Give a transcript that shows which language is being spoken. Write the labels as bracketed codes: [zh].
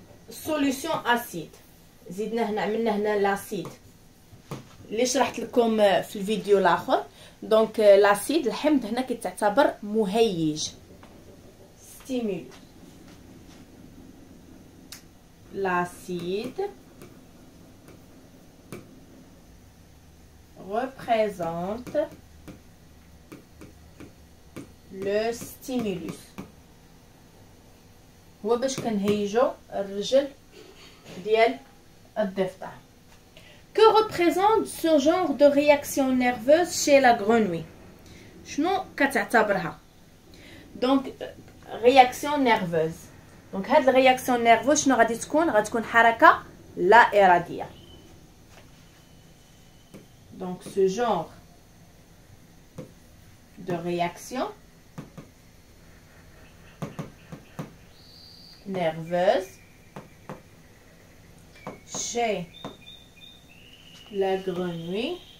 [ar] سوليوشن اسيد زدنا هنا عملنا هنا لاسيد اللي شرحت لكم في الفيديو الاخر دونك لاسيد الحمض هنا كيتعتبر مهيج ستيمول لاسيد [fr] représente le stimulus. [ar] هو باش كنهيجو الرجل ديال الضفدع. [fr] Que représente ce genre de réaction nerveuse chez la grenouille? [ar] شنو كتعتبرها؟ [fr] Donc réaction nerveuse. [ar] Donc هاد الرياكسيون نيرفوز شنو غادي تكون؟ غتكون حركة لا إرادية. [fr] Donc ce genre de réaction nerveuse chez la grenouille